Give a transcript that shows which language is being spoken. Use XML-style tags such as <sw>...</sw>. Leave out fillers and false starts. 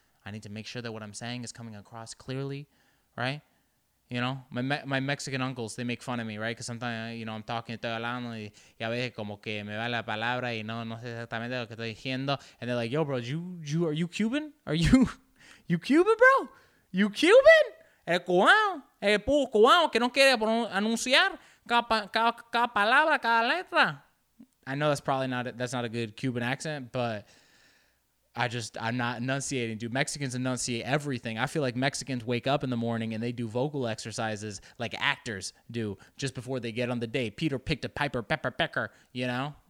<en>I need to make sure that what I'm saying is coming across clearly, right? You know, my Mexican uncles, they make fun of me, right? Because sometimes, you know, I'm talking,</en> <es>estoy hablando, y a veces como que me va la palabra y no sé exactamente lo que estoy diciendo.</es> <en>And they're like, yo, bro, you are you Cuban? Are you Cuban, bro? You Cuban?</en> <es>El cubano, el puro cubano que no quiere anunciar cada palabra, cada letra.</es> <en>I know that's not a good Cuban accent, but I'm not enunciating, dude. Mexicans enunciate everything. I feel like Mexicans wake up in the morning and they do vocal exercises like actors do just before they get on the day. Peter picked a piper, pepper, pecker, you know?</en>